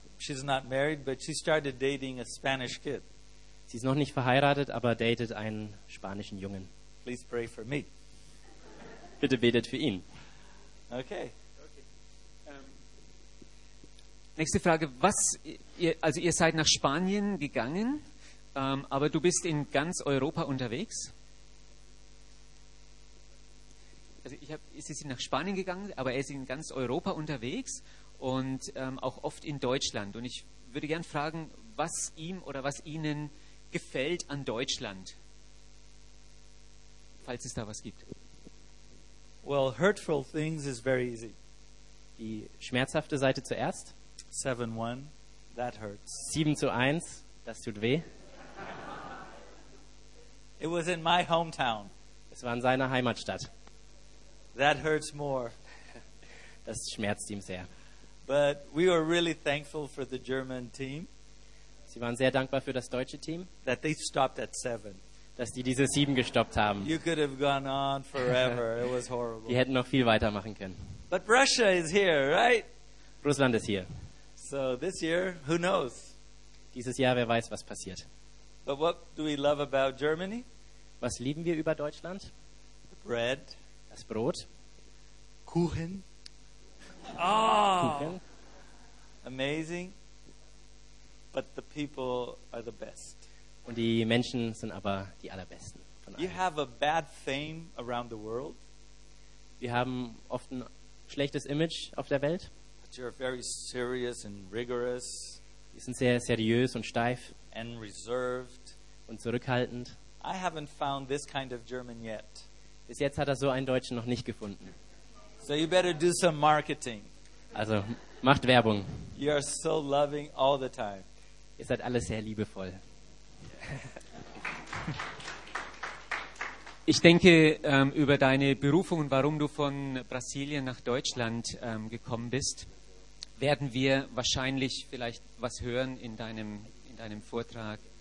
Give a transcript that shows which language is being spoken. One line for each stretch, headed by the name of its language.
English: She's not married, but she started dating a Spanish kid.
German: Sie ist noch nicht verheiratet, aber datet einen spanischen Jungen.
English: Please pray for me.
German: Bitte betet für ihn. Okay. Nächste Frage. Ihr seid nach Spanien gegangen, aber du bist in ganz Europa unterwegs. Also sie sind nach Spanien gegangen, aber er ist in ganz Europa unterwegs und auch oft in Deutschland. Und ich würde gern fragen, was ihm oder was Ihnen gefällt an Deutschland, falls es da was gibt.
English: Well, hurtful things is very easy.
German: Die schmerzhafte Seite zuerst.
English: 7-1, that hurts.
German: 7-1, das tut weh.
English: It was in my hometown.
German: Es war in seiner Heimatstadt.
English: That hurts more.
German: Das schmerzt ihm sehr.
English: But we were really thankful for the German team.
German: Sie waren sehr dankbar für das deutsche Team.
English: That they stopped at 7.
German: Dass die diese 7 gestoppt haben.
English: You could have gone on forever. It was horrible.
German: Die hätten noch viel weitermachen können.
English: But Russia is here, right?
German: Russland ist hier.
English: So this year, who knows?
German: Dieses Jahr, wer weiß, was passiert.
English: But what do we love about Germany?
German: Was lieben wir über Deutschland?
English: The bread.
German: Das Brot.
English: Kuchen. Oh, Kuchen. Amazing. But the people are the best.
German: Und die Menschen sind aber die allerbesten.
English: You have a bad fame around the world.
German: Wir haben oft ein schlechtes Image auf der Welt.
English: But you're very serious and rigorous.
German: Wir sind sehr seriös und steif.
English: And reserved.
German: Und zurückhaltend.
English: I haven't found this kind of German yet.
German: Bis jetzt hat er so einen Deutschen noch nicht gefunden.
English: So you better do some marketing.
German: Also macht Werbung.
English: You are so loving all the time.
German: Ihr seid alle sehr liebevoll. Ich denke über deine Berufung und warum du von Brasilien nach Deutschland gekommen bist, werden wir wahrscheinlich vielleicht was hören in deinem Vortrag.